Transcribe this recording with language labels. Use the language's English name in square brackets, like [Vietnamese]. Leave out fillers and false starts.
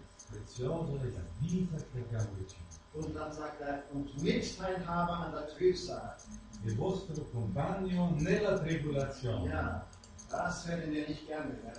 [Italian] Prezioso è la vita che abbiamo ricevuto. [German] Und dann sagt er, und mit teilhaben an der Trübsal. [Italian] Il vostro compagno nella tribolazione. [German] Ja, das werden wir nicht gerne.